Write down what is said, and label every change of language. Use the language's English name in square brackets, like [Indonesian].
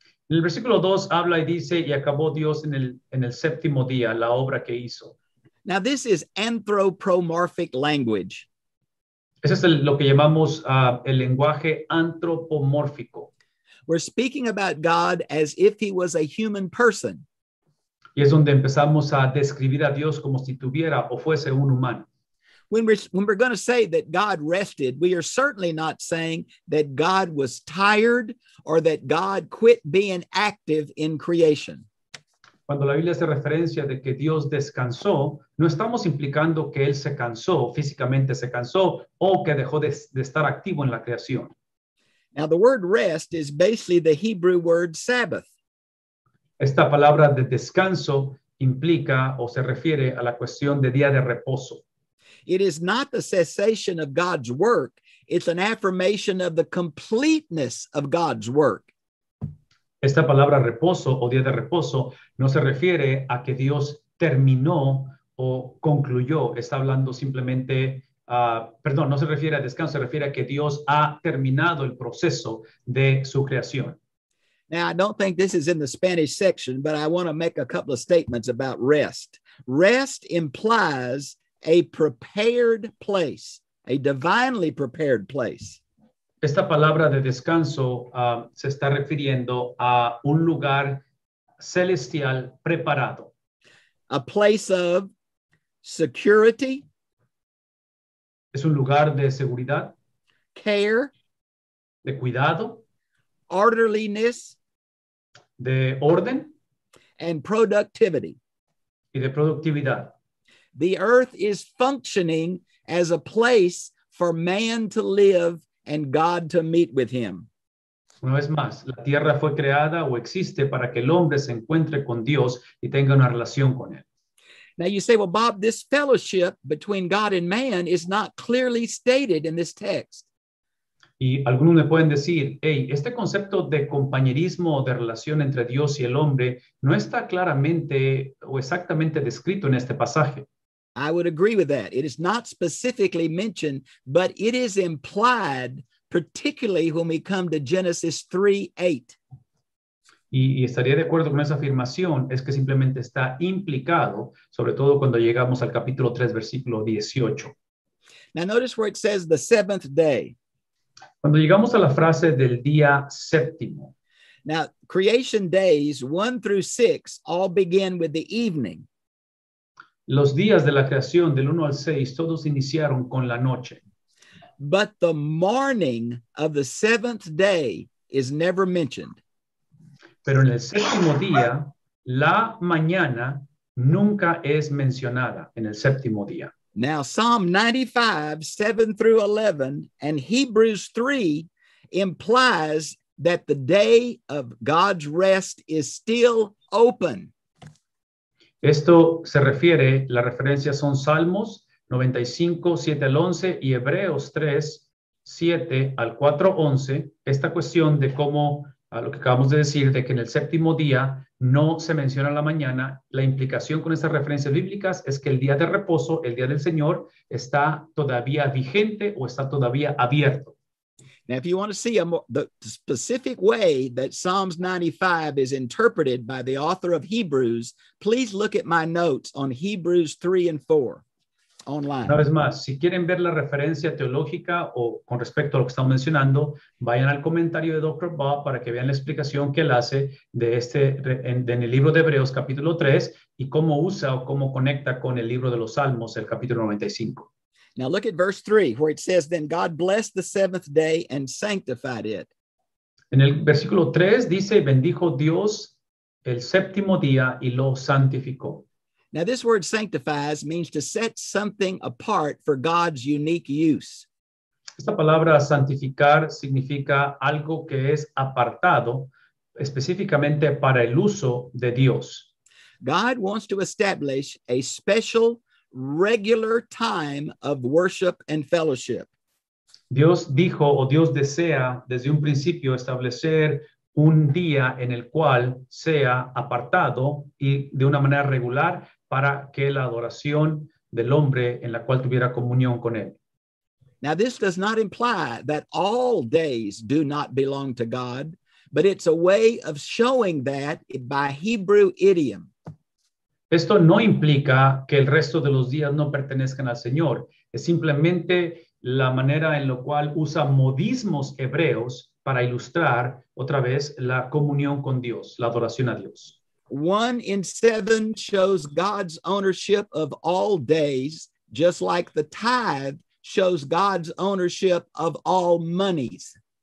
[Spanish] En el versículo 2 habla y dice, y acabó Dios en el séptimo día la obra que hizo. [English] Now, this is anthropomorphic language. [Spanish] Eso es lo que llamamos el lenguaje antropomórfico. [English] We're speaking about God as if he was a human person. [Spanish] Y es donde empezamos a describir a Dios como si tuviera o fuese un humano. [English] When we're going to say that God rested, we are certainly not saying that God was tired or that God quit being active in creation. [Spanish] Cuando la Biblia hace referencia de que Dios descansó, no estamos implicando que él se cansó, físicamente se cansó, o que dejó de estar activo en la creación. [English] Now the word rest is basically the Hebrew word Sabbath. [Spanish] Esta palabra de descanso implica o se refiere a la cuestión de día de reposo. [English] It is not the cessation of God's work. It's an affirmation of the completeness of God's work. [Spanish] Esta palabra reposo o día de reposo no se refiere a que Dios terminó o concluyó. Está hablando simplemente, no se refiere a descanso, se refiere a que Dios ha terminado el proceso de su creación. [English] Now, I don't think this is in the Spanish section, but I want to make a couple of statements about rest. Rest implies a prepared place, a divinely prepared place. [Spanish] Esta palabra de descanso se está refiriendo a un lugar celestial preparado. [English] A place of security. [Spanish] Es un lugar de seguridad. [English] Care. [Spanish] De cuidado. [English] Orderliness. [Spanish] De orden. [English] And productivity. [Spanish] Y de productividad. [English] The earth is functioning as a place for man to live and God to meet with him. [Spanish] Una vez más, la tierra fue creada o existe para que el hombre se encuentre con Dios y tenga una relación con él. [English] Now you say, well, Bob, this fellowship between God and man is not clearly stated in this text. [Spanish] Y algunos me pueden decir, hey, este concepto de compañerismo o de relación entre Dios y el hombre no está claramente o exactamente descrito en este pasaje. [English] I would agree with that. It is not specifically mentioned, but it is implied, particularly when we come to Genesis 3:8. [Spanish] Y estaría de acuerdo con esa afirmación, es que simplemente está implicado, sobre todo cuando llegamos al capítulo 3, versículo 18. [English] Now notice where it says the seventh day. [Spanish] Cuando llegamos a la frase del día séptimo. [English] Now, creation days 1 through 6 all begin with the evening. [Spanish] Los días de la creación del 1 al 6 todos iniciaron con la noche. [English] But the morning of the seventh day is never mentioned. [Spanish] Pero en el séptimo día, la mañana nunca es mencionada en el séptimo día. [English] Now, Psalm 95, 7 through 11, and Hebrews 3 implies that the day of God's rest is still open. [Spanish] Esto se refiere, la referencia son Salmos 95, 7 al 11, y Hebreos 3, 7 al 4, 11. Esta cuestión de cómo, a lo que acabamos de decir, de que en el séptimo día no se menciona la mañana, la implicación con estas referencias bíblicas es que el día de reposo, el día del Señor, está todavía vigente o está todavía abierto. [English] Now, if you want to see the specific way that Psalms 95 is interpreted by the author of Hebrews, please look at my notes on Hebrews 3 and 4 online. [Spanish] Una vez más, si quieren ver la referencia teológica o con respecto a lo que estamos mencionando, vayan al comentario de Dr. Bob para que vean la explicación que él hace de este en el libro de Hebreos, capítulo 3, y cómo usa o cómo conecta con el libro de los Salmos, el capítulo 95. [English] Now look at verse 3, where it says, then God blessed the seventh day and sanctified it. [Spanish] En el versículo 3 dice, bendijo Dios el séptimo día y lo santificó. [English] Now this word sanctifies means to set something apart for God's unique use. [Spanish] Esta palabra santificar significa algo que es apartado específicamente para el uso de Dios. [English] God wants to establish a special regular time of worship and fellowship. [Spanish] Dios dijo o Dios desea desde un principio establecer un día en el cual sea apartado y de una manera regular para que la adoración del hombre en la cual tuviera comunión con él. [English] Now this does not imply that all days do not belong to God, but it's a way of showing that by Hebrew idiom. [Spanish] Esto no implica que el resto de los días no pertenezcan al Señor. Es simplemente la manera en la cual usa modismos hebreos para ilustrar otra vez la comunión con Dios, la adoración a Dios. [English] 1 in 7 shows God's ownership of all days, just like the tithe shows God's ownership of all monies.